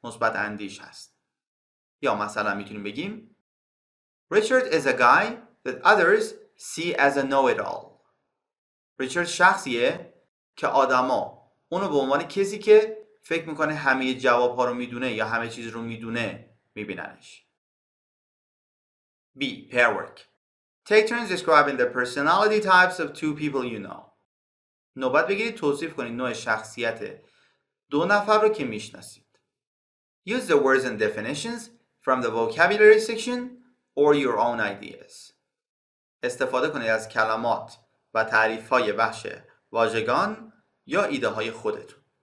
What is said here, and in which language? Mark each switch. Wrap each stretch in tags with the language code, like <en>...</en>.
<fa>مثبت اندیش هست. یا مثلا میتونیم بگیم</fa> <en>Richard is a guy that others see as a know-it-all.</en> <fa>Richard شخصیه که آدما اونو به عنوان کسی که فکر میکنه همه جواب ها رو میدونه یا همه چیز رو میدونه میبیننش.</fa> <en>B. Pair work. Take turns describing the personality types of two people you know.</en> <fa>نوبت بگیرید توصیف کنید نوع شخصیت دو نفر رو که میشناسید.</fa> <en>Use the words and definitions from the vocabulary section or your own ideas.</en> <fa>استفاده کنید از کلمات و تعریف‌های وحش واژگان یا ایده‌های خودتون.</fa>